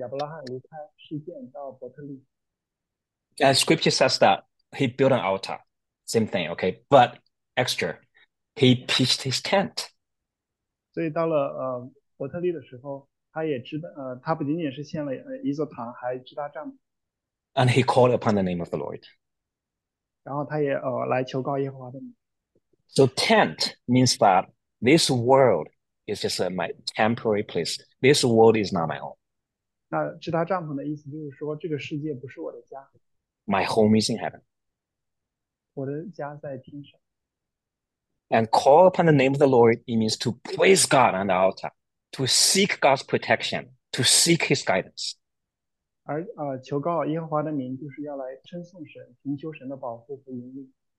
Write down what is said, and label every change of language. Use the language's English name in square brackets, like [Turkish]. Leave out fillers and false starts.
[Chinese] 那创世纪十二章说，神要让亚伯拉罕离开，事件到伯特利。 [English] And scripture says that he built an altar, same thing, okay, but extra, he pitched his tent. [Chinese] 所以到了伯特利的时候，他不仅仅是献了一座堂，还支搭帐篷。 [English] And he called upon the name of the Lord. [Chinese] 然后他也来求告耶和华的名。 [English] So tent means that This world is just my temporary place. This world is not my own. [Chinese] 那支搭帐篷的意思就是说，这个世界不是我的家。 [English] My home is in heaven. And call upon the name of the Lord, it means to praise God on the altar, to seek God's protection, to seek His guidance. [Chinese] 而求告耶和华的名，就是要来称颂神，寻求神的保护和引领。